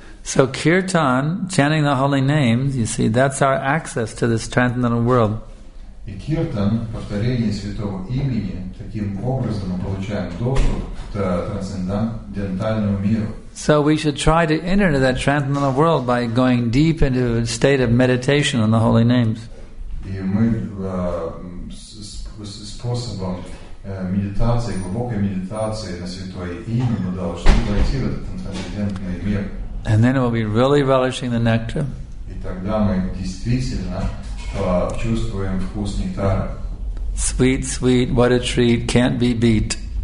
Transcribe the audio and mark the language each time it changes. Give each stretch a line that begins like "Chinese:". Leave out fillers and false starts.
English: So kirtan, chanting the holy names, you see, that's our access to this transcendental world.
Russian: И киртан, повторение святого имени, таким образом мы получаем доступ к трансцендентальному миру.
English: So we should try to enter into that transcendental world by going deep into a state of meditation on the holy names.
Russian: И мы способом медитации, глубокой медитации на святое имя, мы должны пойти в этот трансцендентный мир.
English: And then we'll be really relishing the nectar.
Russian: И тогда мы действительно чувствуем вкус нектара.
English: Sweet, sweet, what a treat, can't be beat.